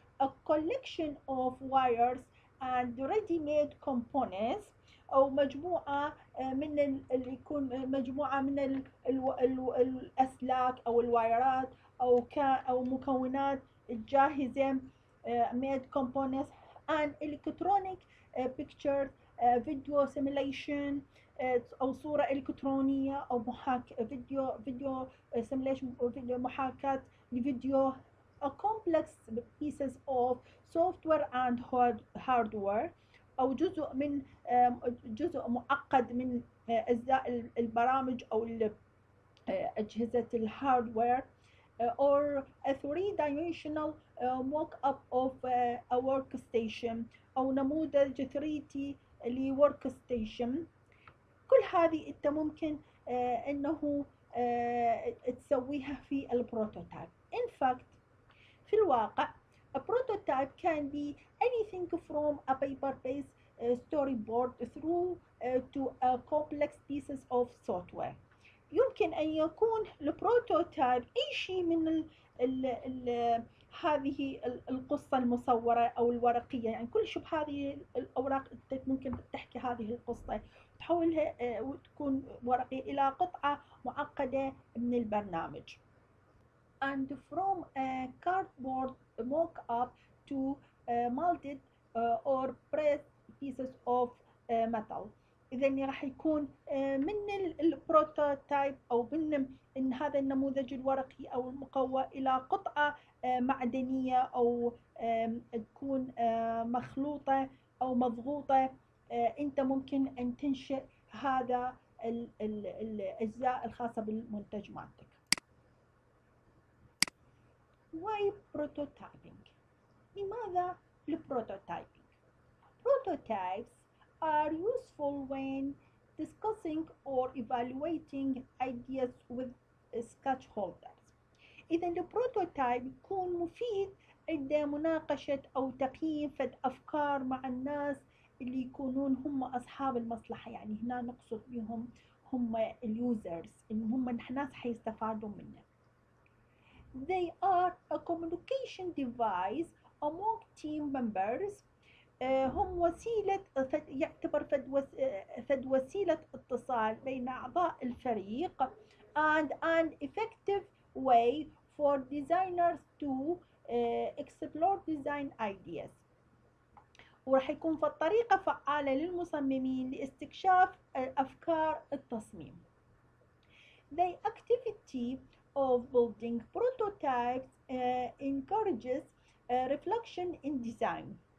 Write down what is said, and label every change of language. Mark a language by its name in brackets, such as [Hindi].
[English] A collection of wires and ready-made components [Arabic] أو مجموعة من اللي يكون مجموعة من الأسلاك أو الوايرات أو مكونات جاهزة [English] made components and electronic pictures video simulation [Arabic] أو صورة إلكترونية أو محاك فيديو simulation فيديو محاكاة لفيديو. [English] A complex pieces of software and hardware [Arabic] أو جزء من جزء معقد من أجزاء البرامج أو أجهزة الهاردوير. [English] Or a three-dimensional mock-up of a workstation [Arabic] أو نموذج 3D لworkstation. كل هذه أنت ممكن أنه تسويها في البروتوتايب. [English] In fact, [Arabic] في الواقع [English] a prototype can be anything from a paper-based storyboard through to a complex pieces of software. [Arabic] يمكن أن يكون البروتوتايب أي شيء من الـ هذه القصة المصورة أو الورقية. يعني كل شيء بهذه الأوراق ممكن تحكي هذه القصة تحولها وتكون ورقية إلى قطعة معقدة من البرنامج. [English] And from a cardboard mock-up to molded or pressed pieces of metal. [Arabic] إذن راح يكون من البروتوتايب أو من إن هذا النموذج الورقي أو المقوى إلى قطعة معدنية أو تكون مخلوطة أو مضغوطة. أنت ممكن أن تنشئ هذا الأجزاء الخاصة بالمنتج مالتك. [English] Why prototyping؟ [Arabic] لماذا البروتوتايبينج؟ [English] Prototypes are useful when discussing or evaluating ideas with sketch holders. [Arabic] إذا البروتوتايب يكون مفيد عند مناقشة أو تقييم فد أفكار مع الناس اللي يكونون هم أصحاب المصلحة. يعني هنا نقصد بهم هم اليوزرز اللي هم الناس حيستفادوا منه. [English] They are a communication device among team members. [Arabic] هم وسيلة يعتبر فد وسيلة اتصال بين أعضاء الفريق [English] and an effective way for designers to explore design ideas. [Arabic] ورح يكون في الطريقة فعالة للمصممين لاستكشاف أفكار التصميم. [English] The activity of building prototypes encourages reflection in design.